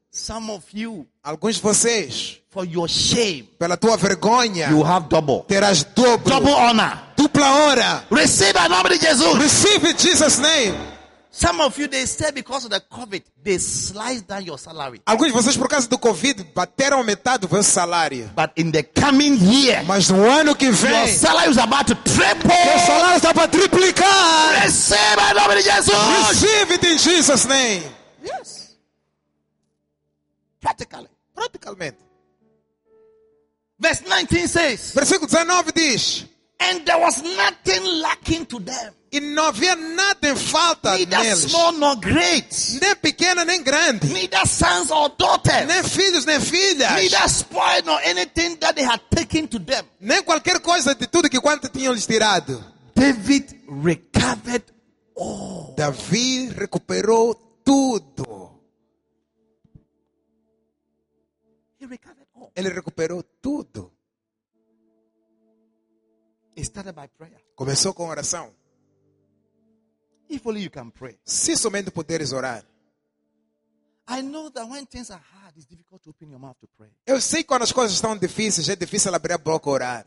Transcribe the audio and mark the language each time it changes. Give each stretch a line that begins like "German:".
English: Some of you,
Portuguese: alguns de vocês,
English: for your shame,
Portuguese: pela tua vergonha,
English: you have double,
Portuguese: terás dobro,
English: double honor,
Portuguese: dupla honra.
English: Receive the name of Jesus. Receive in Jesus' name. Some of you, they say because of the COVID, they slice down your salary.
Portuguese: Alguns de vocês por causa do COVID bateram metade do vosso salário.
English: But in the coming year,
Portuguese: mas no ano que vem,
English: your salary is about to triple.
Portuguese: Teu salário está para triplicar.
English: Receive the name of Jesus. Receive it in Jesus' name. Yes. Practically. Verse 19 says.
Portuguese: Versículo 19 diz.
English: And there was nothing lacking to them.
Portuguese: E não havia nada em falta
English: neither
Portuguese: neles.
English: Small nor great.
Portuguese: Nem pequena nem grande.
English: Neither sons or daughters.
Portuguese: Nem filhos nem filhas.
English: Neither spoil nor anything that they had taken to them.
Portuguese: Nem qualquer coisa de tudo que quanto tinham lhes tirado.
English: David recovered all.
Portuguese: Davi recuperou tudo. Ele recuperou tudo.
English: It started by prayer.
Portuguese: Começou com oração.
English: If only you can pray.
Portuguese: Se somente puderes orar.
English: I know that when things are hard, it's difficult to open your mouth to pray.
Portuguese: Eu sei quando as coisas estão difíceis, é difícil abrir a boca e orar.